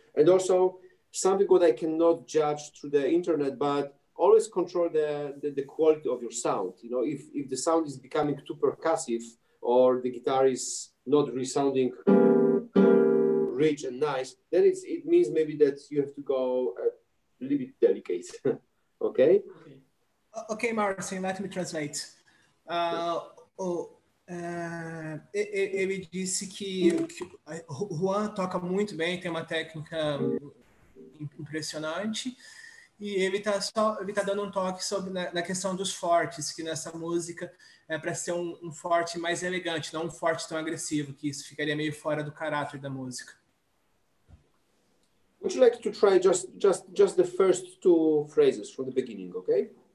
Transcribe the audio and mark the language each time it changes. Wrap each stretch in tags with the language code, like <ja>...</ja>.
<en>And also something what I cannot judge through the internet, but always control the quality of your sound. You know, if the sound is becoming too percussive or the guitar is not resounding rich and nice, then it means maybe that you have to go a little bit delicate. Okay? Okay, Marcin, let me translate.</en> <pt>Ele disse que Juan toca muito bem, tem uma técnica impressionante, e ele tá dando um toque sobre na questão dos fortes, que nessa música é para ser um forte mais elegante, não um forte tão agressivo, que isso ficaria meio fora do caráter da música.</pt> <en>Would you like to try just the first two phrases from the beginning, okay?</en>